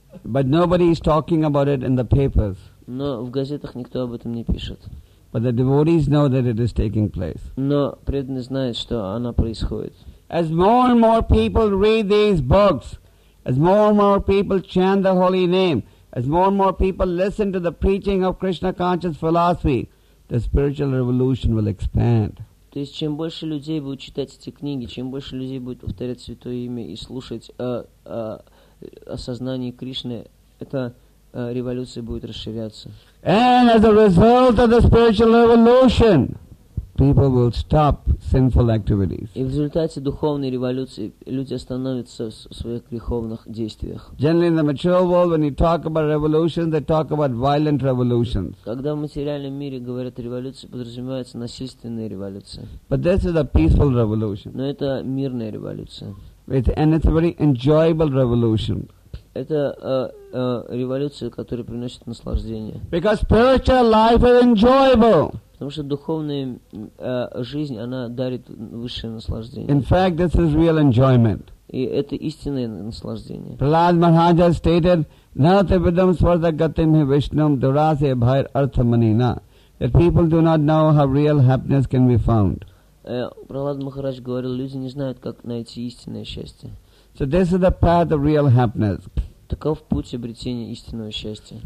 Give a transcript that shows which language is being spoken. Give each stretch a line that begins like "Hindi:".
English: But nobody is talking about it in the papers.
Russian: Но в газетах никто об этом не пишет.
English: But the devotees know that it is taking place.
Russian: Но преданные знают, что она происходит.
English: As more and more people read these books, as more and more people chant the holy name, as more and more people listen to the preaching of Krishna conscious philosophy, the spiritual revolution will expand.
Russian: То есть чем больше людей будут читать эти книги, чем больше людей будут повторять святое имя и слушать о сознании Кришны, это революция будет расширяться.
English: And as a result of the spiritual revolution, people will stop sinful activities.
Russian: И в результате духовной революции люди остановятся в своих греховных действиях.
English: Generally in the material world, when you talk about revolutions, they talk about violent revolutions.
Russian: Когда в материальном мире говорят о революции, подразумевается насильственная революция.
English: But this is a peaceful revolution.
Russian: Но это мирная революция.
English: and it's a very enjoyable revolution.
Russian: Это революция, которая приносит наслаждение.
English: Because spiritual life is enjoyable.
Russian: Потому что духовная жизнь, она дарит высшее наслаждение.
English: In fact, this is real enjoyment.
Russian: И это истинное наслаждение.
English: Prahlad Maharaja stated,
Sanskrit: Nath Vidam Swarta Gatim Vishnam Durase Bhair Arthamanina.
English: That people do not know how real happiness can be found.
Russian: Prahlad Maharaja говорил, люди не знают, как найти истинное счастье.
English: So this is the path of real happiness.
Russian: Таков путь обретения истинного счастья.